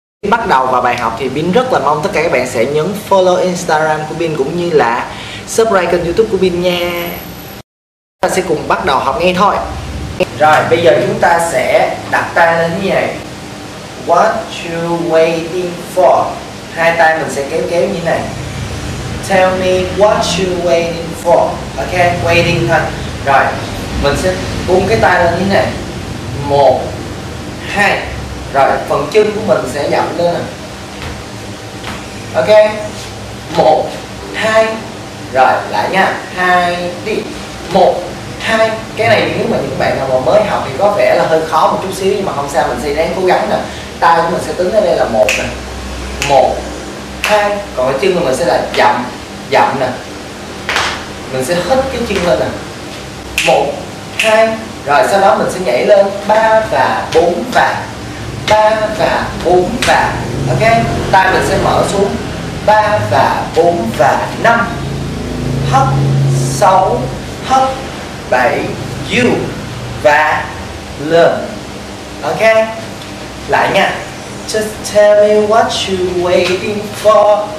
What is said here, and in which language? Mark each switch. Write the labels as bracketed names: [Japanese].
[Vietnamese] Bắt đầu vào bài học thì Bin rất là mong tất cả các bạn sẽ nhấn follow Instagram của Bin cũng như là subscribe kênh YouTube của Bin nha. Chúng ta sẽ cùng bắt đầu học ngay thôi. Rồi, bây giờ chúng ta sẽ đặt tay lên như này. [English] What you waiting for? [Vietnamese] Hai tay mình sẽ kéo như này. [English] Tell me what you waiting for. [Vietnamese] Ok, waiting thôi. Rồi, mình sẽ buông cái tay lên như này. Một, hai. Rồi, phần chân của mình sẽ dậm lên này. Ok. Một, hai. Rồi, lại nha. Hai, đi. Một, hai. Cái này nếu mà những bạn nào mà mới học thì có vẻ là hơi khó một chút xíu, nhưng mà không sao, mình sẽ ráng cố gắng nè. Tay của mình sẽ tính ở đây là một nè, một, hai. Còn cái chân của mình sẽ là dậm, dậm nè. Mình sẽ hít cái chân lên nè. Một, hai. Rồi sau đó mình sẽ nhảy lên. Ba và bốn và. Ba và bốn và. Ok. Tay mình sẽ mở xuống. Ba và bốn và năm. Hấp, sáu, hấp, bảy, you và learn. Ok. Lại nha. [English] Just tell me what you waiting for.